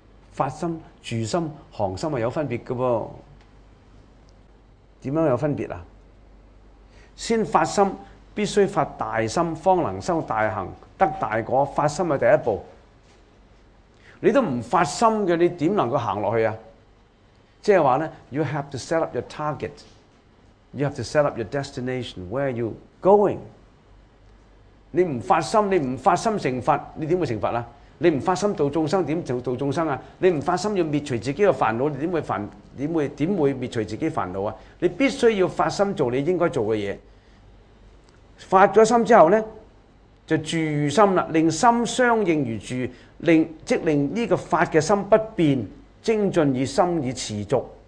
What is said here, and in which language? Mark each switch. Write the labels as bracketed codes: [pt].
[zh] 发心、住心、降心是有分别的。为什么有分别？先发心，必须发大心方能修大行，得大果，发心是第一步。你都不发心的，你怎能够走下去啊？即是说呢， [en] You have to set up your target. You have to set up your destination. Where are you going? [zh] 你不发心，你不发心成佛，你怎会成佛啊？你不发心度众生，怎么度众生啊？你不发心要灭除自己的烦恼，你怎会灭除自己的烦恼啊？你必须要发心做你应该做的事。发了心之后呢，就住心了，令心相应如住，令这个法的心不变，精进以心以持续。